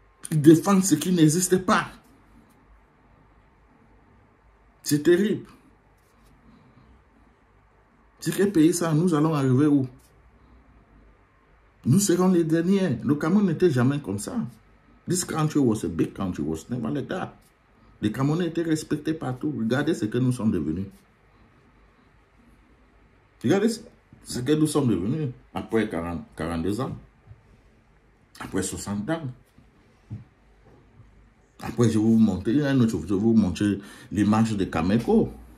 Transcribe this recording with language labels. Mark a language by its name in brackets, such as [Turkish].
[French] Défendre ce qui n'existe pas. C'est terrible. C'est quel pays ça? Nous allons arriver où? Nous serons les derniers. Le Cameroun n'était jamais comme ça. [English] This country was a big country, was never like that. [French] Les Camerounais étaient respectés partout. Regardez ce que nous sommes devenus. Regardez ce que nous sommes devenus après 42 ans. Après 60 ans. Après, je vais vous montrer un autre, je vais vous montrer l'image de Cameco.